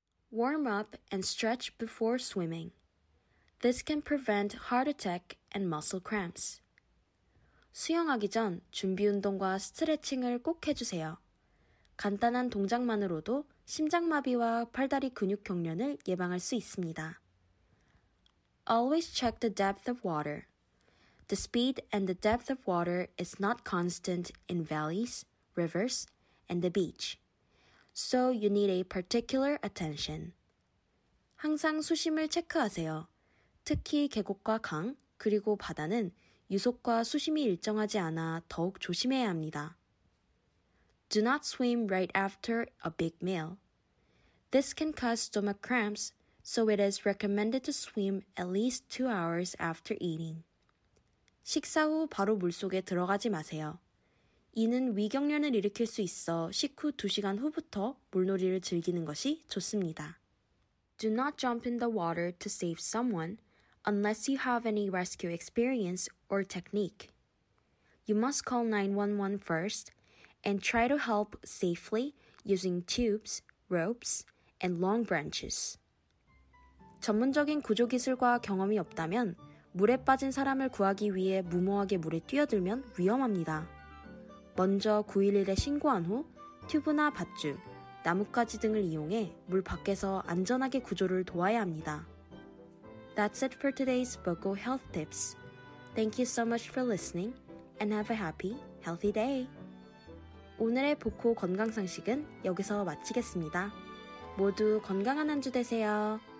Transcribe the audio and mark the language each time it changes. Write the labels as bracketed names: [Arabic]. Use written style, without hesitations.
[English] 워밍업 and stretch before swimming. This can prevent heart attack and muscle cramps. [Korean] 수영하기 전 준비운동과 스트레칭을 꼭 해주세요. 간단한 동작만으로도 심장마비와 팔다리 근육 경련을 예방할 수 있습니다. [English] Always check the depth of water. The speed and the depth of water is not constant in valleys, rivers, and the beach. So you need a particular attention. [Korean] 항상 수심을 체크하세요. 특히 계곡과 강, 그리고 바다는 유속과 수심이 일정하지 않아 더욱 조심해야 합니다. [English] Do not swim right after a big meal. This can cause stomach cramps, so it is recommended to swim at least 2 hours after eating. [Korean] 식사 후 바로 물속에 들어가지 마세요. 이는 위경련을 일으킬 수 있어 식후 2시간 후부터 물놀이를 즐기는 것이 좋습니다. [English] Do not jump in the water to save someone unless you have any rescue experience or technique. You must call 911 first and try to help safely using tubes, ropes, and long branches. [Korean] 전문적인 구조 기술과 경험이 없다면 물에 빠진 사람을 구하기 위해 무모하게 물에 뛰어들면 위험합니다. 먼저 911에 신고한 후 튜브나 밧줄, 나뭇가지 등을 이용해 물 밖에서 안전하게 구조를 도와야 합니다. [English] That's it for today's Boko Health Tips. Thank you so much for listening and have a happy, healthy day. [Korean] 오늘의 보코 건강상식은 여기서 마치겠습니다. 모두 건강한 한 주 되세요.